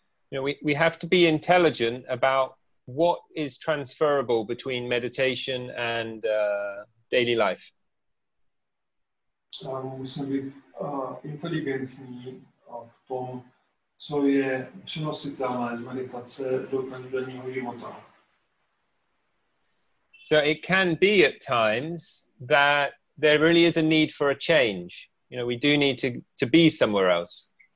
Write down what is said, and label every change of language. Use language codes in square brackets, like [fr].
[en] You know, we have to be intelligent about what is transferable between meditation and daily life. [cs] Musím být inteligentní v tom, co je přenositelné z meditace do každodenního života. [en] So it can be at times that there really is a need for a change. You know, we do need to be somewhere else.